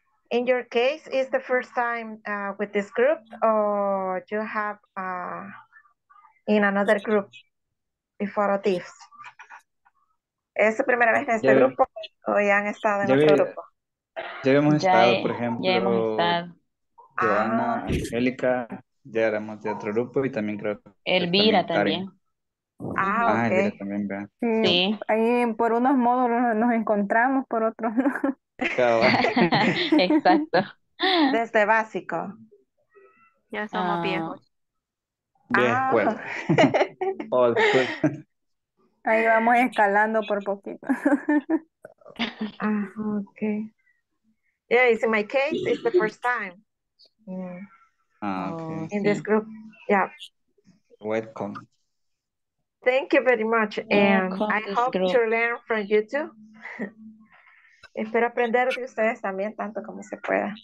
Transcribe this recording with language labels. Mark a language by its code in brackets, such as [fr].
[en] In your case, is the first time with this group, or you have in another group before this? [es] ¿Es su primera vez en este grupo o ya han estado en otro grupo? Ya hemos estado, por ejemplo, Joana, Angélica, ya éramos de otro grupo y también creo que... Elvira también. Ah, ok. Elvira también, vea. Sí. Ahí por unos módulos nos encontramos, por otros no. Claro. Exacto. Desde básico. Ya somos viejos. Viejos. Ahí vamos escalando por poquito. Okay. [en] Yeah, it's in my case, it's the first time. Okay. In this group. Yeah. Welcome. Thank you very much. And I hope to learn from you too. [es] Espero aprender de ustedes también tanto como se pueda.